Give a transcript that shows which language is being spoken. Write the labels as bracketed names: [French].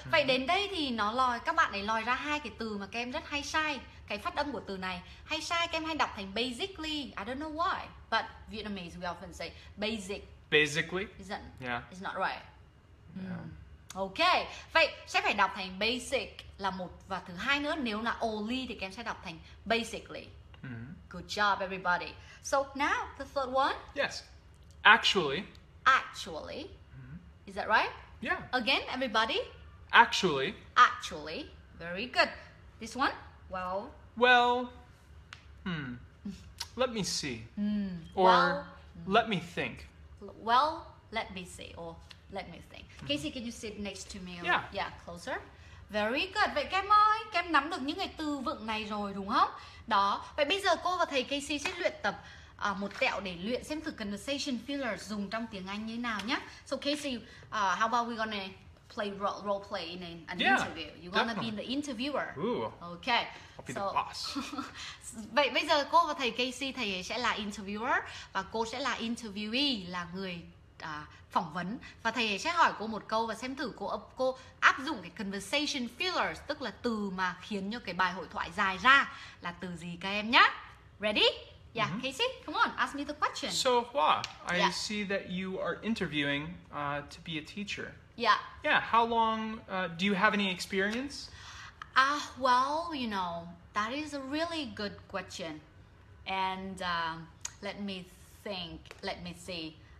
[Vietnamese] Vậy đến đây thì nó lòi, các bạn ấy lòi ra hai cái từ mà các em rất hay sai. Cái phát âm của từ này hay sai, các em hay đọc thành basically. [English] I don't know why, but Vietnamese we often say basic. Basically? Isn't? Yeah. It's not right. Yeah. Okay. [Vietnamese] Vậy sẽ phải đọc thành basic là một, và thứ hai nữa nếu là only thì các em sẽ đọc thành basically. [English] Good job everybody. So now the third one? Yes. Actually. Actually. Is that right? Yeah. Again, everybody? Actually. Actually. Very good. This one? Well. Well. Let me see. Or well, let me think. Well, let me see. Or let me think. Casey, can you sit next to me? Yeah, closer. Very good. [Vietnamese] Vậy các em ơi, các em nắm được những cái từ vựng này rồi đúng không? Đó. Vậy bây giờ cô và thầy Casey sẽ luyện tập một tẹo để luyện xem thử conversation filler dùng trong tiếng Anh như thế nào nhé. [English] So Casey, how about we gonna play role play in an interview? You gonna be the interviewer? Ooh. Okay. I'll be the boss. [Vietnamese] Vậy bây giờ cô và thầy Casey, thầy ấy sẽ là interviewer và cô sẽ là interviewee, là người phỏng vấn, và thầy ấy sẽ hỏi cô một câu và xem thử cô áp dụng cái conversation fillers, tức là từ mà khiến cho cái bài hội thoại dài ra, là từ gì các em nhé. [English] Ready? Yeah, Casey, come on, ask me the question. So, Hua, I see that you are interviewing to be a teacher. Yeah. Yeah, how long, do you have any experience? Well, you know, that is a really good question. And let me see.